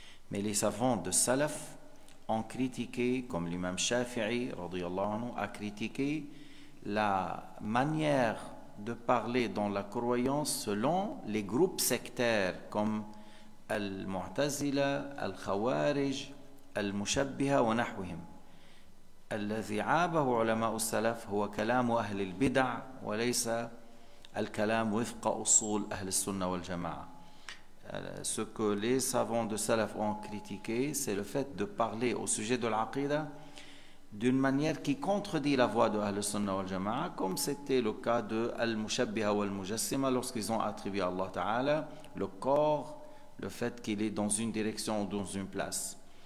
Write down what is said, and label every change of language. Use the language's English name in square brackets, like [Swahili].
[French] Mais les savants de Salaf ont critiqué, comme l'imam Shafi'i radiyallahu anhu a critiqué, la manière de parler dans la croyance selon les groupes sectaires comme [Arabic] المعتزلة الخوارج المشبهة ونحوهم. الذي عابه علماء السلف هو كلام أهل البدع وليس الكلام وفق أصول أهل السنة والجماعة. [French] Ce que les savants de Salaf ont critiqué, c'est le fait de parler au sujet de l'aqida d'une manière qui contredit la voix de [Arabic] أهل السنة والجماعة, [French] comme c'était le cas de [Arabic] المشبهة والمجسمة [French] lorsqu'ils ont attribué à الله تعالى le corps, le fait qu'il est dans une direction ou dans une place.